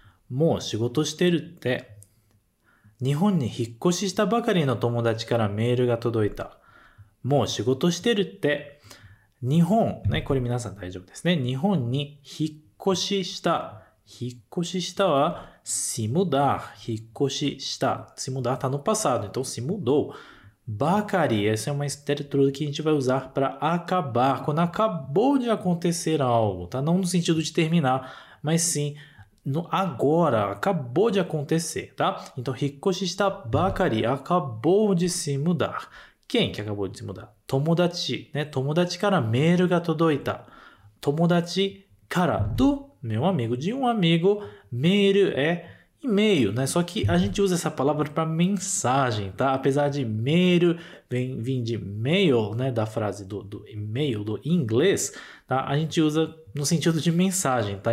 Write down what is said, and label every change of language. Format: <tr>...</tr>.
<ja>もう仕事してるって。日本に引っ越ししたばかりの友達からメールが届いた。もう仕事してるって。日本、ね、これ皆さん大丈夫ですね。日本に引っ越しした。</ja> <pt>引っ越ししたは、se mudar。</pt> <ja>引っ越しした。</ja> <pt>se mudar está no passado, então se mudou. ばかり、essa é uma estrutura que a gente vai usar para acabar, quando acabou de acontecer algo, tá? Não no sentido de terminar, mas sim no agora, acabou de acontecer, tá? Então, 引っ越ししたばかり、acabou de se mudar. Quem que acabou de se mudar?</pt> <ja>友達、ね、友達からメールが届いた。</ja> <pt>友達から、do meu amigo, de um amigo, メール é e-mail, né? Só que a gente usa essa palavra para mensagem, tá? Apesar de メール vem de mail, né? Da frase do e-mail, do inglês, tá? A gente usa no sentido de mensagem, tá?</pt>